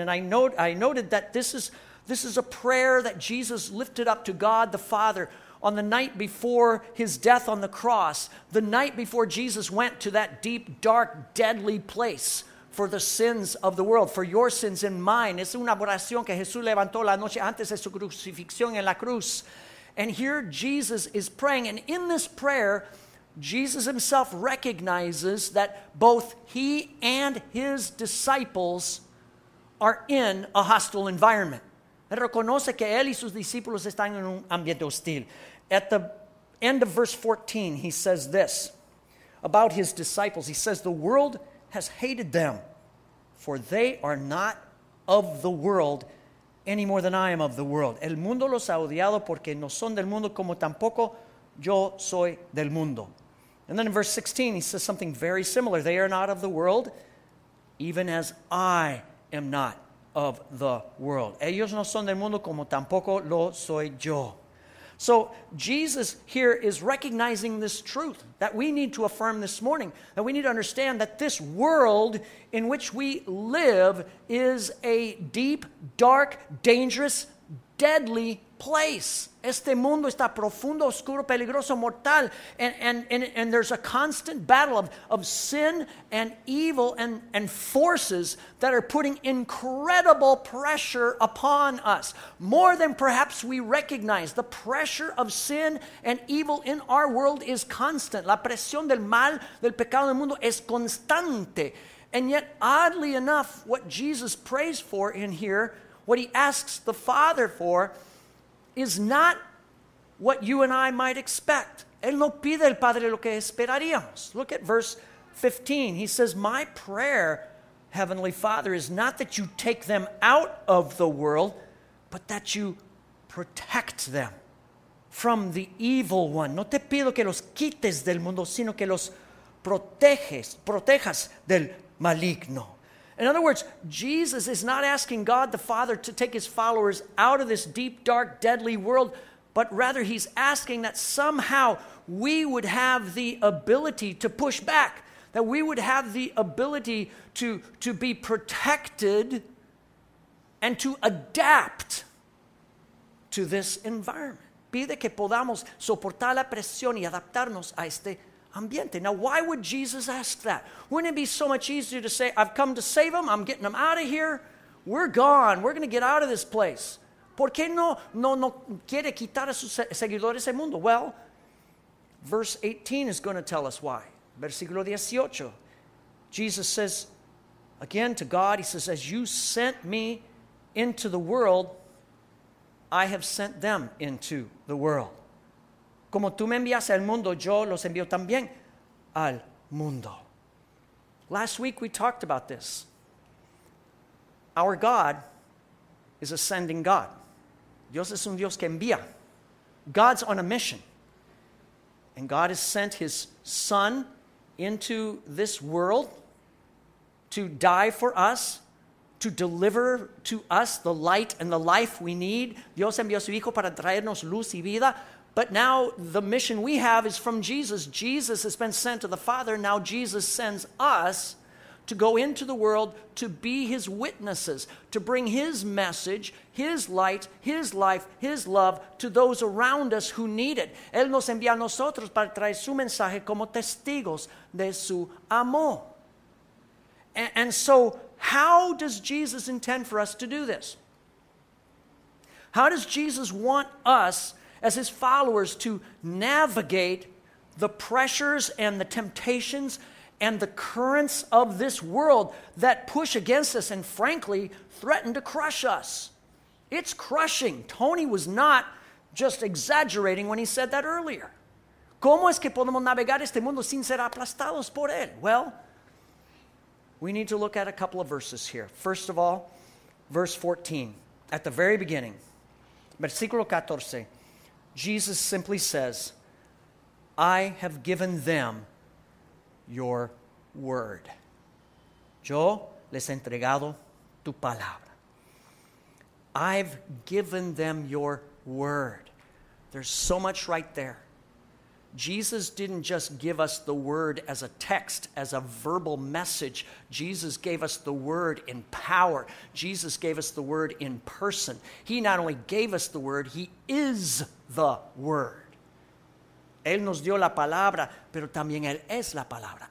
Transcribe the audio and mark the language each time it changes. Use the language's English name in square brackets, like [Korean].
[English] And I noted that this is a prayer that Jesus lifted up to God the Father on the night before his death on the cross, the night before Jesus went to that deep, dark, deadly place for the sins of the world, for your sins and mine. [Spanish] Es una oración que Jesús levantó la noche antes de su crucifixión en la cruz. [English] And here Jesus is praying. And in this prayer, Jesus himself recognizes that both he and his disciples are in a hostile environment. [Spanish] Él reconoce que él y sus discípulos están en un ambiente hostil. [English] At the end of verse 14, he says this about his disciples. He says, the world has hated them, for they are not of the world any more than I am of the world. [Spanish] El mundo los ha odiado porque no son del mundo como tampoco yo soy del mundo. [English] And then in verse 16, he says something very similar. They are not of the world, even as I am not of the world. [Spanish] Ellos no son del mundo como tampoco lo soy yo. [English] So Jesus here is recognizing this truth that we need to affirm this morning, that we need to understand that this world in which we live is a deep, dark, dangerous, deadly place. [Spanish] Este mundo está profundo, oscuro, peligroso, mortal. [English] And there's a constant battle of sin and evil and forces that are putting incredible pressure upon us. More than perhaps we recognize, the pressure of sin and evil in our world is constant. [Spanish] La presión del mal, del pecado del mundo es constante. [English] And yet, oddly enough, what Jesus prays for in here, what he asks the Father for, is not what you and I might expect. [Spanish] Él no pide al Padre lo que esperaríamos. [English] Look at verse 15. He says, my prayer, Heavenly Father, is not that you take them out of the world, but that you protect them from the evil one. [Spanish] No te pido que los quites del mundo, sino que los protejas del maligno. [English] In other words, Jesus is not asking God the Father to take his followers out of this deep, dark, deadly world, but rather he's asking that somehow we would have the ability to push back, that we would have the ability to be protected and to adapt to this environment. [Spanish] Pide que podamos soportar la presión y adaptarnos a este ambiente. [English] Now, why would Jesus ask that? Wouldn't it be so much easier to say, I've come to save them, I'm getting them out of here, we're gone, we're going to get out of this place. [Spanish] ¿Por qué no quiere quitar a sus seguidores el mundo? [English] Well, verse 18 is going to tell us why. [Spanish] Versículo 18, [English] Jesus says again to God, he says, as you sent me into the world, I have sent them into the world. [Spanish] Como tú me envías al mundo, yo los envío también al mundo. [English] Last week we talked about this. Our God is a sending God. [Spanish] Dios es un Dios que envía. [English] God's on a mission. And God has sent his Son into this world to die for us, to deliver to us the light and the life we need. [Spanish] Dios envió su Hijo para traernos luz y vida. [English] But now the mission we have is from Jesus. Jesus has been sent to the Father. Now Jesus sends us to go into the world to be his witnesses, to bring his message, his light, his life, his love to those around us who need it. [Spanish] Él nos envía a nosotros para traer su mensaje como testigos de su amor. [English] And so how does Jesus intend for us to do this? How does Jesus want us as his followers to navigate the pressures and the temptations and the currents of this world that push against us and frankly threaten to crush us? It's crushing. Tony was not just exaggerating when he said that earlier. [Spanish] ¿Cómo es que podemos navegar este mundo sin ser aplastados por él? [English] Well, we need to look at a couple of verses here. First of all, verse 14, at the very beginning, [Spanish] versículo 14, [English] Jesus simply says, I have given them your word. [Spanish] Yo les he entregado tu palabra. [English] I've given them your word. There's so much right there. Jesus didn't just give us the word as a text, as a verbal message. Jesus gave us the word in power. Jesus gave us the word in person. He not only gave us the word, he is the word. [Spanish] Él nos dio la palabra, pero también él es la palabra.